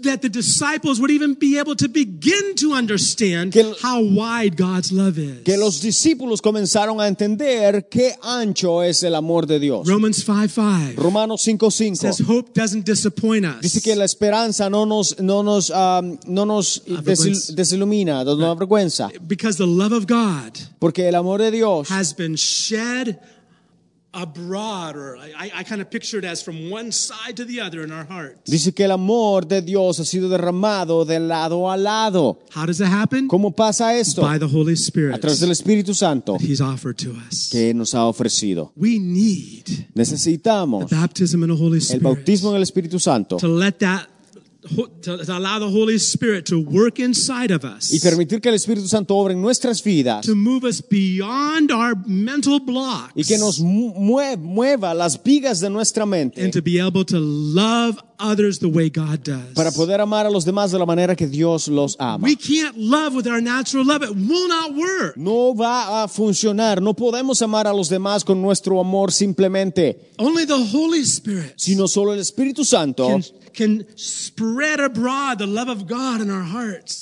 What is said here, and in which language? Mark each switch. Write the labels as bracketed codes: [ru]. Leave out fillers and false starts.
[en] that the disciples would even be able to begin to understand how wide God's love is. [es] Que los discípulos comenzaron a entender qué ancho es el amor de Dios. [en] Romans 5:5. [es] Romanos 5:5. [en] Says hope doesn't disappoint us. [es] Dice que la esperanza no nos desilumina, no nos avergüenza. [en] Because the love of God, [es] porque el amor de Dios, [en] has been shed abroad, or I kind of picture it as from one side to the other in our hearts. [es] Dice que el amor de Dios ha sido derramado de lado a lado. [en] How does it happen? [es] ¿Cómo pasa esto? [en] By the Holy Spirit. [es] A través del Espíritu Santo. [en] He's offered to us. [es] Que nos ha ofrecido. [en] We need. [es] Necesitamos. [en] The baptism in the Holy Spirit. [es] El bautismo en el Espíritu Santo. [en] To let that. To allow the Holy Spirit to work inside of us. [es] Y permitir que el Espíritu Santo obre en nuestras vidas. [en] To move us beyond our mental blocks. [es] Y que nos mueva las vigas de nuestra mente. [en] And to be able to love others the way God does. [es] Para poder amar a los demás de la manera que Dios los ama. [en] We can't love with our natural love. It will not work. [es] No va a funcionar. No podemos amar a los demás con nuestro amor simplemente. [en] Only the Holy Spirit. [es] Sino solo el Espíritu Santo. [en] Can spread abroad the love of God in our hearts.